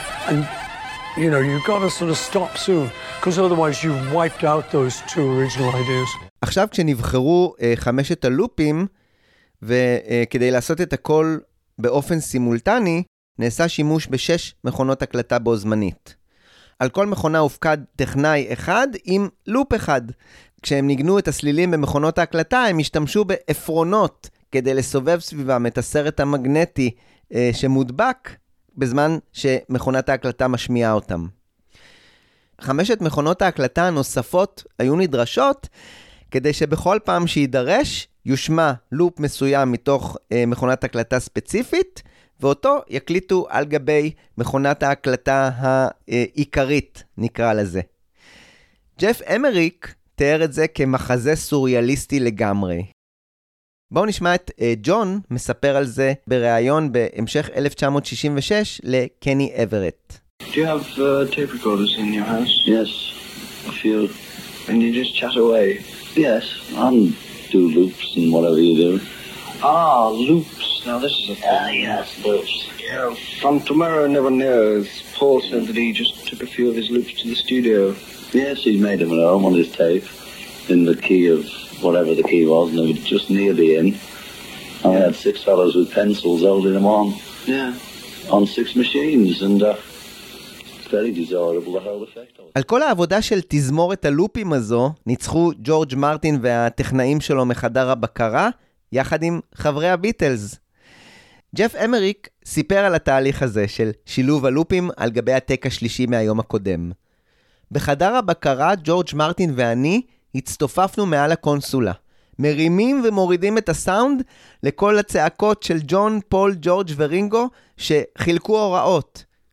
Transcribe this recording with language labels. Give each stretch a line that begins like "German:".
English: And, you know, you've got to sort of stop soon. Because otherwise you've wiped out those 2 original ideas.
Hebrew: עכשיו כשנבחרו 5 הלופים, וכדי לעשות את הכל באופן סימולטני, נעשה שימוש ב6 מכונות הקלטה בו זמנית. על כל מכונה הופקד טכנאי אחד עם לופ אחד. כשהם ניגנו את הסלילים במכונות ההקלטה, הם השתמשו בעפרונות כדי לסובב סביבם את הסרט המגנטי שמודבק בזמן שמכונת ההקלטה משמיעה אותם. חמשת מכונות ההקלטה הנוספות היו נדרשות כדי שבכל פעם שידרש יושמע לופ מסוים מתוך מכונת הקלטה ספציפית, ואותו יקליטו על גבי מכונת ההקלטה העיקרית, נקרא לזה. ג'ף אמריק תיאר את זה כמחזה סוריאליסטי לגמרי. בואו נשמע את ג'ון מספר על זה בריאיון בהמשך 1966 לקני אברט.
English: Do you have tape recorders in your house? Yes. A few. And you just chat away? Yes. Do loops and whatever you do. Ah, loops. Now this is a thing. Yes, loops. Yeah, from tomorrow never knows. Paul said that he just took a few of his loops to the studio. Yes, he made them at home on his tape. In the key of whatever the key was, and it was just near the inn. And we had six fellows with pencils holding them on. Yeah. On six machines, and very desirable, the whole effect.
Hebrew: על כל העבודה של תזמורת הלופים הזו, ניצחו ג'ורג' מרטין והטכנאים שלו מחדר הבקרה, יחד עם חברי הביטלס. ג'ף אמריק סיפר על התהליך הזה של שילוב הלופים על גבי הטק השלישי מהיום הקודם. בחדר הבקרה, ג'ורג' מרטין ואני הצטופפנו מעל הקונסולה, מרימים ומורידים את הסאונד לכל הצעקות של ג'ון, פול, ג'ורג' ורינגו שחילקו הוראות.